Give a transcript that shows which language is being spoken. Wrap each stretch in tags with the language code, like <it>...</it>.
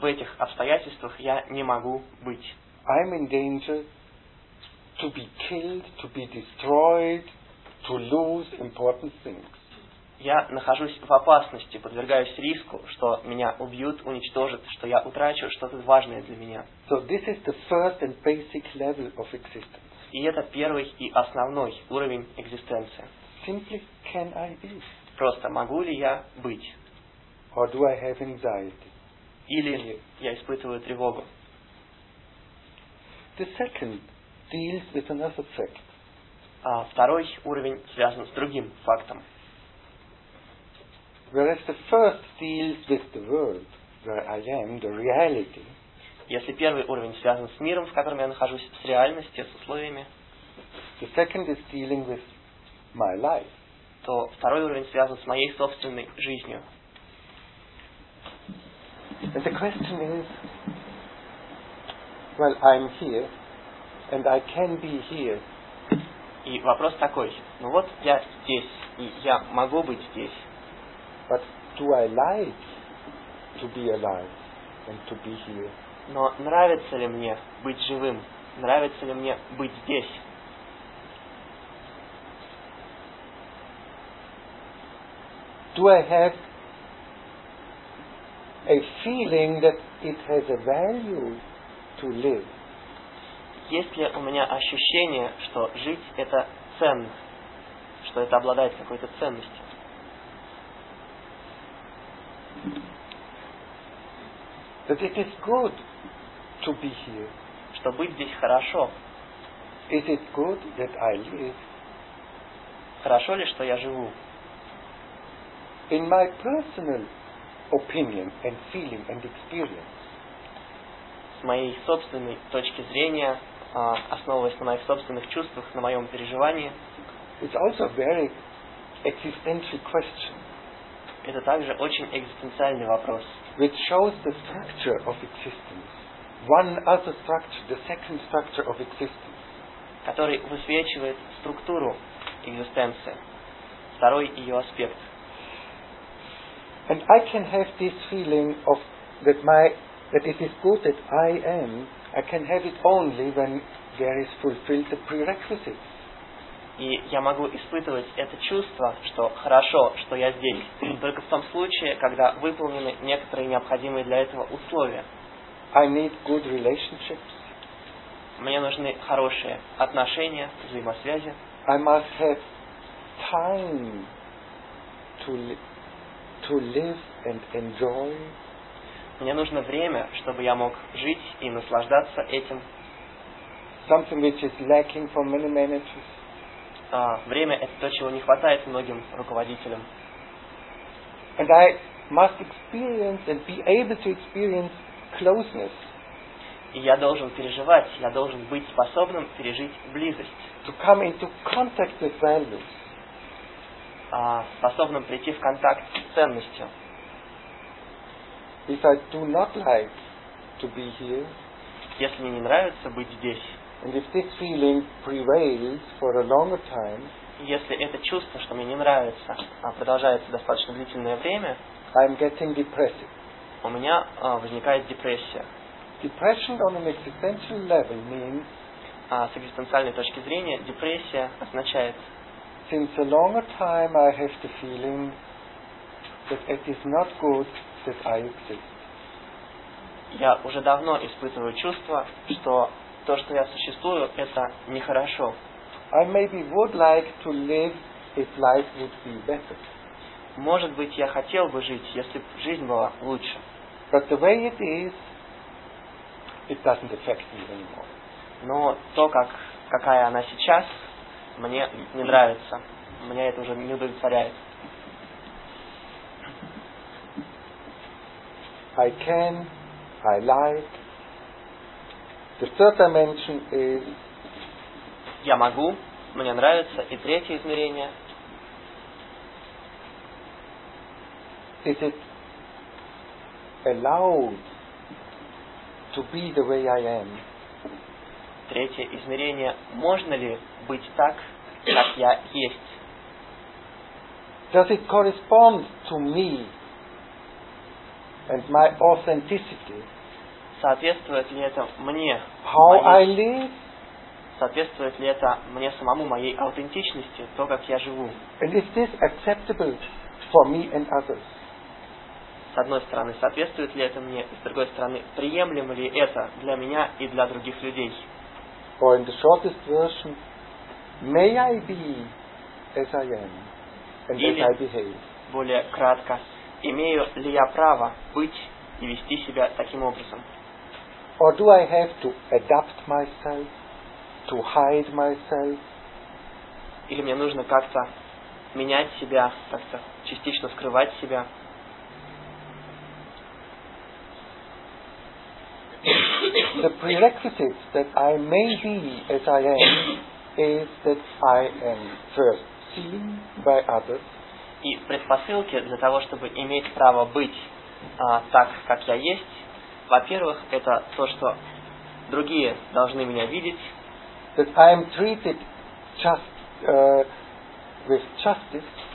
<ru>В этих обстоятельствах я не могу быть.</ru> <en>I'm in danger to be killed, to be destroyed, to lose important things.</en> <ru>Я нахожусь в опасности, подвергаюсь риску, что меня убьют, уничтожат, что я утрачу что-то важное для меня.</ru> <en>So this is the first and basic level of existence.</en> <ru>И это первый и основной уровень экзистенции.</ru> <en>Simply can I be?</en> <ru>Просто могу ли я быть?</ru> <en>Or do I have anxiety?</en> <ru>Или я испытываю тревогу?</ru> <en>The second deals with another fact.</en> <ru>А второй уровень связан с другим фактом.</ru> <en>Whereas the first deals with the world, where I am, the reality.</en> <ru>Если первый уровень связан с миром, в котором я нахожусь, с реальностью, с условиями.</ru> <en>The second is dealing with my life.</en> <ru>То второй уровень связан с моей собственной жизнью.</ru> <en>And the question is, well, I'm here, and I can be here.</en> <ru>И вопрос такой: ну вот я здесь, и я могу быть здесь.</ru> <en>But do I like to be alive and to be here?</en> <ru>Но нравится ли мне быть живым? Нравится ли мне быть здесь?</ru> <en>Do I have a feeling that it has a value to live?</en> <ru>Есть ли у меня ощущение, что жить это ценно, что это обладает какой-то ценностью?</ru> <en>That it is good to be here.</en> <ru>Что быть здесь хорошо.</ru> <en>Is it good that I live?</en> <ru>Хорошо ли, что я живу?</ru> <en>In my personal opinion and feeling and experience.</en> <ru>С моей собственной точки зрения, основываясь на моих собственных чувствах, на моем переживании.</ru> <en>It's also a very existential question.</en> <ru>Это также очень экзистенциальный вопрос.</ru> <en>Which shows the structure of existence. One other structure, the second structure of existence.</en> <ru>Который высвечивает структуру экзистенции. Второй ее аспект.</ru> <en>And I can have this feeling of that it is good that I am. I can have it only when there is fulfilled the prerequisites.</en> <ru>И я могу испытывать это чувство, что хорошо, что я здесь, только в том случае, когда выполнены некоторые необходимые для этого условия.</ru> <en>I need good relationships.</en> <ru>Мне нужны хорошие отношения, взаимосвязи.</ru> <en>I must have time to live and enjoy.</en> <ru>Мне нужно время, чтобы я мог жить и наслаждаться этим.</ru> <en>Something which is lacking for many managers.</en> <ru>Время это то, чего не хватает многим руководителям.</ru> <en>And I must experience and be able to experience closeness.</en> <ru>И я должен переживать, я должен быть способным пережить близость.</ru> <en>To come into contact with values.</en> <ru>Способным прийти в контакт с ценностью.</ru> <en>If I do not like to be here,</en> <ru>если мне не нравится быть здесь,</ru> <en>and if this feeling prevails for a longer time,</en> <ru>если это чувство, что мне не нравится, продолжается достаточно длительное время,</ru> <en>I'm getting depressive.</en> <ru>У меня возникает депрессия.</ru> <en>Depression on an existential level means,</en> <ru>с экзистенциальной точки зрения, депрессия означает,</ru> <en>since a longer time I have the feeling that it is not good that I exist.</en> <ru>Я уже давно испытываю чувство, что то, что я существую, это нехорошо.</ru> <en>I maybe would like to live if life would be better.</en> <ru>Может быть, я хотел бы жить, если бы жизнь была лучше.</ru> <en>But the way it is, it doesn't affect me anymore.</en> <ru>Но то, какая она сейчас, мне не нравится. Меня это уже не удовлетворяет.</ru> <en>I can, I like. The third dimension is,</en> <ru>я могу, мне нравится. И третье измерение.</ru> <en>Is it allowed to be the way I am?</en> <ru>Третье измерение. Можно ли быть так, как я есть?</ru> <en>Does it correspond to me and my authenticity?</en> <ru>Соответствует ли это мне?</ru> <en>How I live?</en> <ru>Соответствует ли это мне самому, моей аутентичности, то, как я живу?</ru> <en>And is this acceptable for me and others?</en> <ru>С одной стороны, соответствует ли это мне, и с другой стороны, приемлемо ли это для меня и для других людей?</ru> <en>Or in the shortest version, may I be as I am and as I behave?</en> <ru>Более кратко, имею ли я право быть и вести себя таким образом?</ru> <en>Or do I have to adapt myself, to hide myself?</en> <ru>Или мне нужно как-то менять себя, как-то частично скрывать себя?</ru> <en>The prerequisite that I may be as I am is that I am first seen by others.</en> <ru>И предпосылки для того, чтобы иметь право быть так, как я есть, во-первых, это то, что другие должны меня видеть.</ru> <en>That I am treated just with justice.</en>